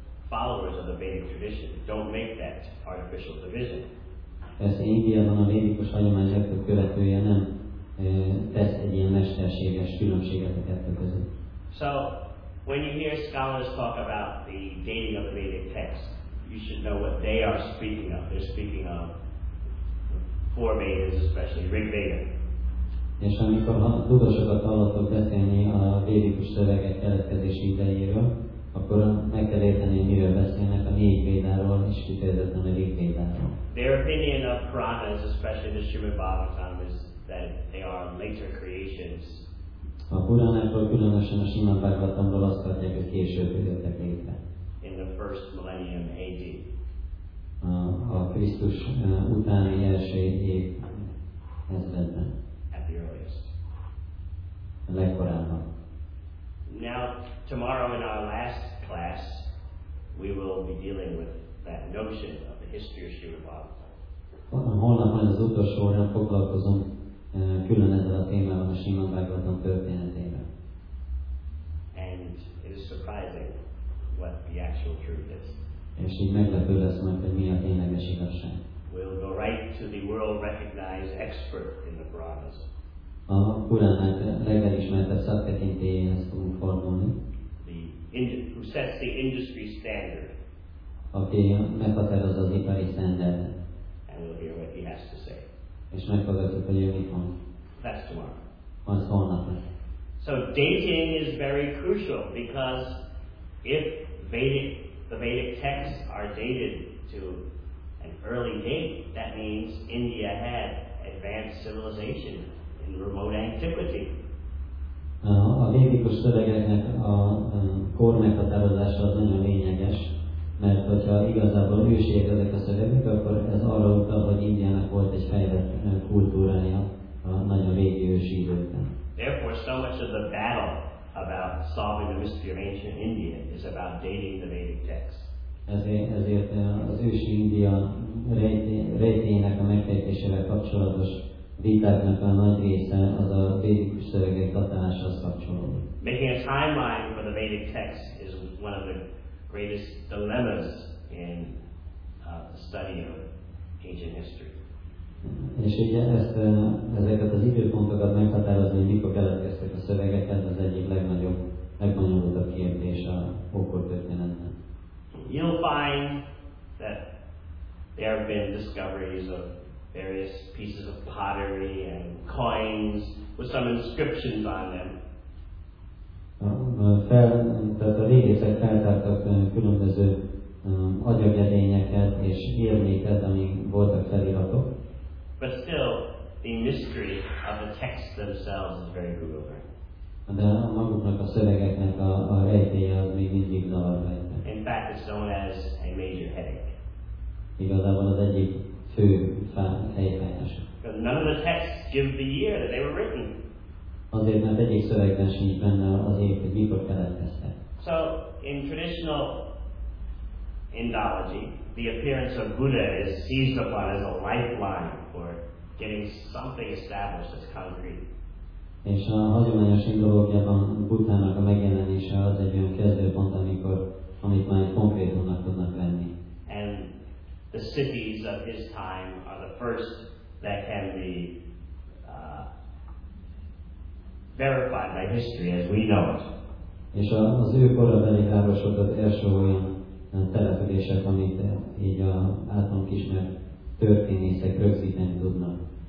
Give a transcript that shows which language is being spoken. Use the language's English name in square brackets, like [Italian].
[English] followers of the Vedic tradition don't make that artificial division. [Hungarian] Persze Indiában a védikus hagyományzatok követője nem tesz egy ilyen mesterséges különbséget a kettő között. [English] So, when you hear scholars talk about the dating of the Vedic text, you should know what they are speaking of. They're speaking of four Vedas, especially Rig Veda. [Hungarian] És amikor tudósokat hallottok beszélni a védikus szövegek keletkezési idejéről, akkor meg kell érteni, miről beszélnek a négy védáról, és kifejezetten a Rig védáról. [English] Their opinion of Puranas, especially the Srimad Bhagavatam, is that they are later creations. [Hungarian] A Puranákról, különösen a Srimad Bhagavatamról azt tartják, hogy később jöttek létre. [English] In the first millennium AD. [Hungarian] A Krisztus utáni első év ezredben. [English] At the earliest. [Hungarian] A legkorábban. [English] Now, tomorrow in our last class, we will be dealing with that notion of the history of Srimad Bhagavatam. [Hungarian] Holnap majd az utolsó órán foglalkozom külön ezzel a témával, a Srimad Bhagavatam történetével. [English] And it is surprising what the actual truth is. [Hungarian] És így meglepő lesz majd, hogy mi a tényleges igazság. [English] We'll go right to the world-recognized expert in the Puranas. [Hungarian] A Puranák legelismertebb szaktekintélyéhez fogunk fordulni. [English] Who sets the industry standard. [Hungarian] Aki meghatározza az ipari standardet. [English] And we'll hear what he has to say. [Hungarian] És meghallgatjuk, hogy ő mit mond. [English] That's tomorrow. [Hungarian] Az holnap. [English] So dating is very crucial, because if the Vedic texts are dated to an early date, that means India had advanced civilization in remote antiquity. [Hungarian] A védikus szövegeknek a kor meghatározása az nagyon lényeges, mert hogyha igazából ősiek ezek a szövegek, akkor ez arra utal, hogy Indiának volt egy fejlett kultúrája a nagyon régi ősi időkben. [English] Therefore, so much of the battle about solving the mystery of ancient India is about dating the Vedic texts. [Hungarian] Ezért az ősi India rejtélyének a megfejtésével kapcsolatos vitáknak a nagy része az a védikus szövegek tartalmához kapcsolódik. [English] Making a timeline for the Vedic text is one of the greatest dilemmas in the study of ancient history. [Hungarian] És ugye ezeket az időpontokat meghatározni, hogy mikor keletkeztek a szövegek, ez az egyik legbonyolultabb kérdés a ókor történetben. [English] You'll find that there have been discoveries of various pieces of pottery and coins with some inscriptions on them. [Hungarian] Tehát a régészek feltártak különböző agyagedényeket és érméket, amik voltak feliratok. [English] But still, the mystery of the texts themselves is very bewildering. [Hungarian] De maguknak a szövegeknek a rejtélye az még mindig zavarban. [English] In fact, it's known as a major headache. [Hungarian] Igazából az egyik fő helyfájás. [English] Because none of the texts give the year that they were written. [Hungarian] Azért, mert egyik szövegben sincs benne az év, hogy mikor keletkeztek. [English] So, in traditional Indology, the appearance of Buddha is seized upon as a lifeline for getting something established as concrete. [Hungarian] És a hagyományos indológiában Buddhának a megjelenése az egy olyan kezdőpont, amit már egy konkrétumnak tudnak venni. [English] And the cities of his time are the first that can be verified by history as we know it. [Hungarian] És az ő korabeli városokat első olyan települések, amit így a általunk ismert történészek rögzíteni tudnak.